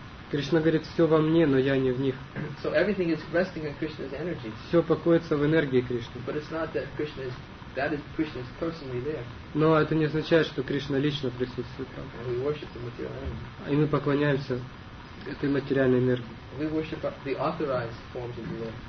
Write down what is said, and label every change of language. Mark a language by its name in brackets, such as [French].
[Russian] Кришна говорит, все во мне, но я не в них. [English] So everything is resting on Krishna's energy. [Russian] Все покоится в энергии Кришны. [English] But it's not that Krishna is, that is Krishna's personally there. [Russian] Но это не означает, что Кришна лично присутствует там. [English] And we worship the material energy. [Russian] И мы поклоняемся этой материальной энергии. [English] We worship the authorized forms of the Lord.